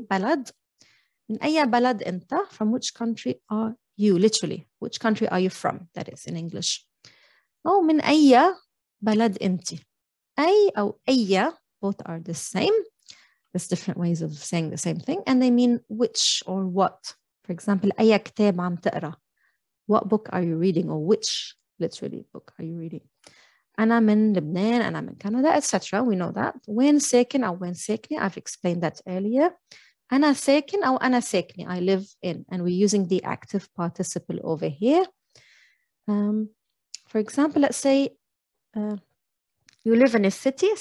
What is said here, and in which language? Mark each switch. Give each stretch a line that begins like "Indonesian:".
Arabic: بلد, من أي بلد أنت؟
English: From which country are you, literally, which country are you from, that is in English.
Arabic: أو من أي بلد أنت؟ أي أو أي,
English: both are the same. There's different ways of saying the same thing, and they mean which or what. For example,
Arabic: أي كتاب عم تقرأ,
English: what book are you reading, or which, literally, book are you reading.
Arabic: أنا من لبنان, أنا من كندا,
English: etc. We know that.
Arabic: وين ساكن أو وين ساكنة,
English: I've explained that earlier.
Arabic: أنا ساكن أو أنا ساكنة,
English: I live in. And we're using the active participle over here. For example, let's say you live in a city.